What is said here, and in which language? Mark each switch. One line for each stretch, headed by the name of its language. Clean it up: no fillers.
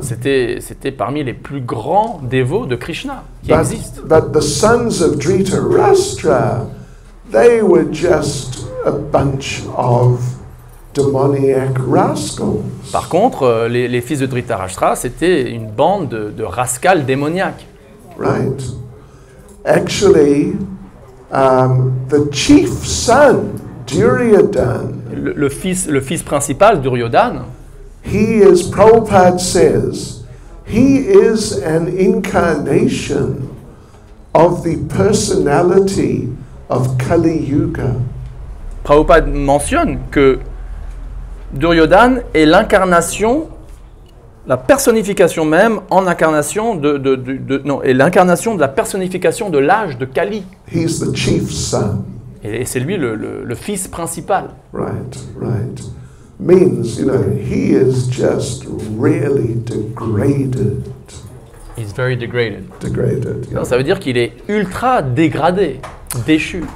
French: C'était parmi les plus grands dévots de Krishna qui existent.
English: But the sons of Dhritarashtra, they were just a bunch of demoniac rascals.
French: Par contre, les fils de Dhritarashtra, c'était une bande de rascals démoniaques.
English: Right. Actually, the chief son, Duryodhan.
French: Le fils principal, Duryodhan.
English: He is, Prabhupada says, he is an incarnation of the personality of Kali Yuga.
French: Prabhupada mentionne que Duryodhan est l'incarnation, la personnification même en incarnation est l'incarnation de la personnification de l'âge de Kali.
English: He is the chief son.
French: Et c'est lui le fils principal.
English: Right, right. Means, you know, he is just really degraded. He's very degraded. Degraded. Yeah.
French: Non, ça veut dire qu'il est ultra dégradé, déchu.